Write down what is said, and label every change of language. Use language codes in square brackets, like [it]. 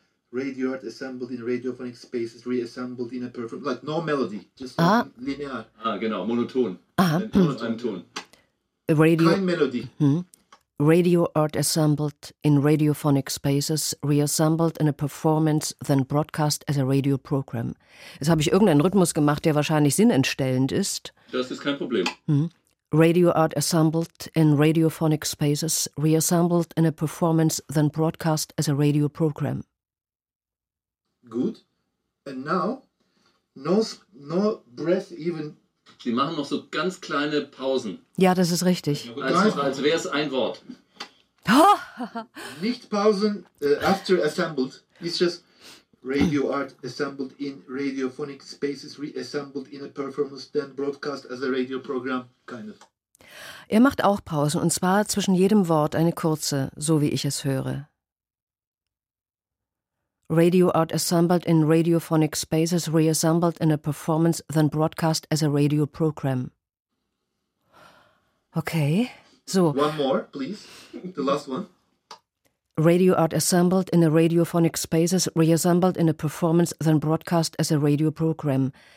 [en] Radio art assembled in radiophonic spaces, reassembled in a performance. Like no melody, just like linear. [de] Ah, genau, monoton. Aha. Ein Ton. Radio. Kein Melody. Mm-hmm. [en] Radio art assembled in radiophonic spaces, reassembled in a performance, then broadcast as a radio program. [de] Jetzt habe ich irgendeinen Rhythmus gemacht, der wahrscheinlich sinnentstellend ist. Das ist kein Problem. Mm-hmm. [en] Radio art assembled in radiophonic spaces, reassembled in a performance, then broadcast as a radio program. Good. And now, no breath even. [de] Sie machen noch so ganz kleine Pausen. Ja, das ist richtig. Als wäre es ein Wort. Nicht Pausen [en] after assembled. It's just radio art assembled in radiophonic spaces, reassembled in a performance, then broadcast as a radio program, kind of. [de] Er macht auch Pausen, und zwar zwischen jedem Wort eine kurze, so wie ich es höre. [en] Radio art assembled in radiophonic spaces, reassembled in a performance, then broadcast as a radio program. Okay, so. One more, please. The last one. Radio art assembled in a radiophonic spaces, reassembled in a performance, then broadcast as a radio program.